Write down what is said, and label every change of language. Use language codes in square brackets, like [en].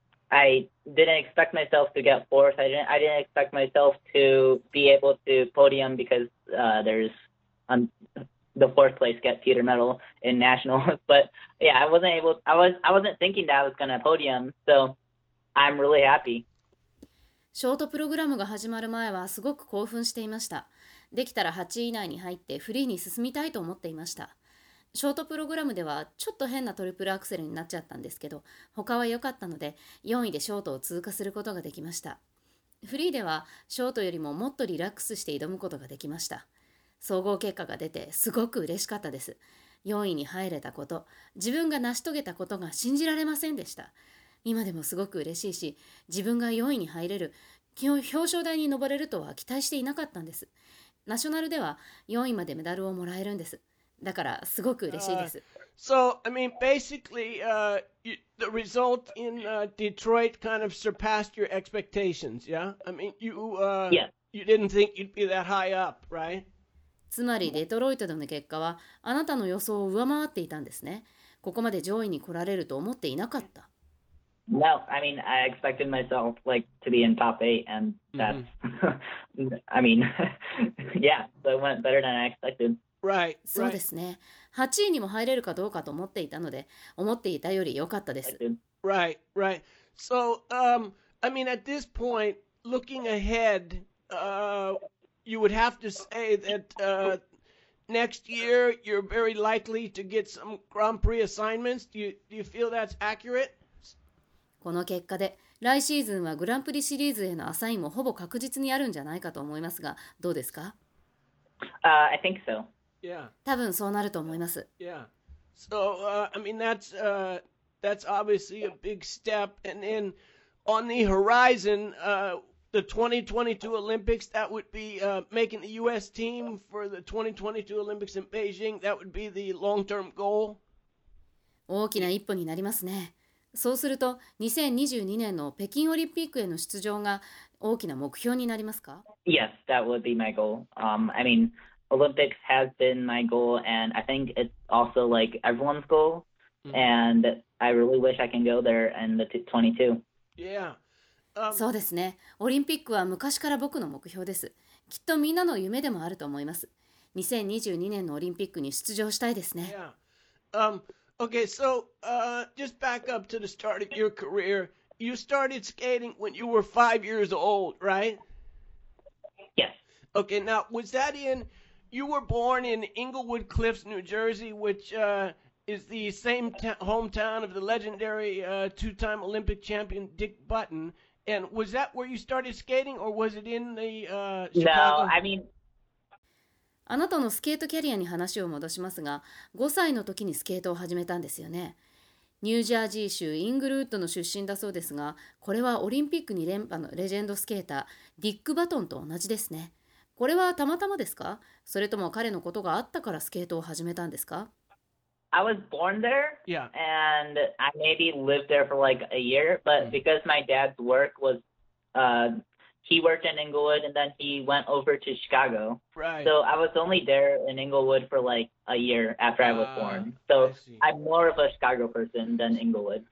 [en] I didn't expect myself to get fourth. I didn't expect myself to be able to podium because there's the fourth place get Peter medal in nationals. But yeah, I wasn't thinking that I was going to podium. So I'm really happy. [ja] ショートプログラムが始まる前はすごく興奮していました。できたら8位以内に入ってフリーに進みたいと思っていました。ショートプログラムではちょっと変なトリプルアクセルになっちゃったんですけど、他は良かったので4位でショートを通過することができました。フリーではショートよりももっとリラックスして挑むことができました。総合結果が出てすごく嬉しかったです。4位に入れたこと、自分が成し遂げたことが信じられませんでした。今でもすごく嬉しいし、自分が4位に入れる、表彰台に登れるとは期待していなかったんです。ナショナルでは4位までメダルをもらえるんです。だからすごく嬉しいです。 [en] So, I mean, basically, the result in Detroit kind of surpassed your expectations, yeah? I mean, you didn't think you'd be that high up, right? [ja] つまり、デトロイトでの結果は、あなたの予想を上回っていたんですね。ここまで上位に来られると思っていなかった。 [en] No, I mean, I expected myself, like, to be in top eight, and that's, I mean, yeah, so it went better than I expected. Right, right. [ja] そうですね。 8位にも入れるかどうかと思っていたので、思っていたより良かったです。 [en] Right, right. So, I mean, at this point, looking ahead, you would have to say that next year you're very likely to get some Grand Prix assignments. Do you feel that's accurate? [ja] この結果で、来シーズンはグランプリシリーズへのアサインもほぼ確実にあるんじゃないかと思いますが、どうですか？ [en] I think so. Yeah. [ja] 多分そうなると思います。 [en] Yeah. So, I mean, that's obviously a big step. And then on the horizon, the 2022 Olympics, that would be making the U.S. team for the 2022 Olympics in Beijing. That would be the long-term goal. [ja] 大きな一歩になりますね。そうすると、2022年の北京オリンピックへの出場が大きな目標になりますか? [en] Yes, that would be my goal. I mean... Olympics has been my goal, and I think it's also like everyone's goal. And I really wish I can go there in the 22. Yeah. [ja] そうですね。オリンピックは昔から僕の目標です。きっとみんなの夢でもあると思います。 2022年のオリンピックに出場したいですね。 [en] Yeah. Okay. So, just back up to the start of your career. You started skating when you were 5 years old, right? Yes. Okay. Now, was that in You were born in Englewood Cliffs, New Jersey, which is the same hometown of the legendary two-time Olympic champion Dick Button. And was that where you started skating, or was it in the Chicago? No, I mean... [ja] あなたのスケートキャリアに話を戻しますが、5歳の時にスケートを始めたんですよね。ニュージャージー州イングルウッドの出身だそうですが、これはオリンピック2連覇のレジェンドスケーター、ディック・バトンと同じですね。これはたまたまですか？それとも彼のことがあったからスケートを始めたんですか？ [en] I was born there. Yeah. And I maybe lived there for like a year, but because my dad's work was, he worked in Inglewood and then he went over to Chicago. Right. So I was only there in Inglewood for like a year after I was born. So I'm more of a Chicago person than Inglewood.